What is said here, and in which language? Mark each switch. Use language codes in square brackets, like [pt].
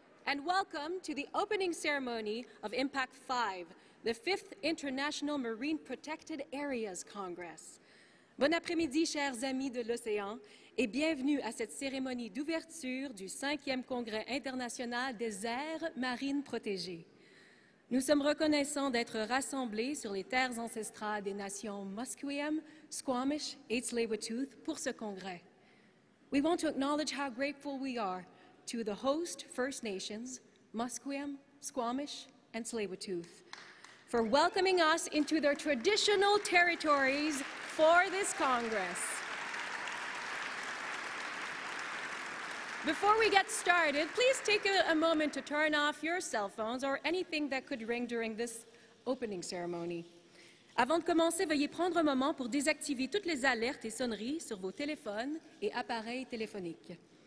[en] And welcome to the opening ceremony of IMPAC5, the 5th International Marine Protected Areas Congress. [fr] Bon après-midi, chers amis de l'océan, et bienvenue à cette cérémonie d'ouverture du 5e Congrès international des aires marines protégées. Nous sommes reconnaissants d'être rassemblés sur les terres ancestrales des nations Musqueam, Squamish, et Tsleil-Waututh pour ce congrès. [en] We want to acknowledge how grateful we are to the host First Nations, Musqueam, Squamish, and Tsleil-Waututh, for welcoming us into their traditional territories for this Congress. Before we get started, please take a moment to turn off your cell phones or anything that could ring during this opening ceremony. [fr] Avant de commencer, veuillez prendre un moment pour désactiver toutes les alertes et sonneries sur vos téléphones et appareils téléphoniques.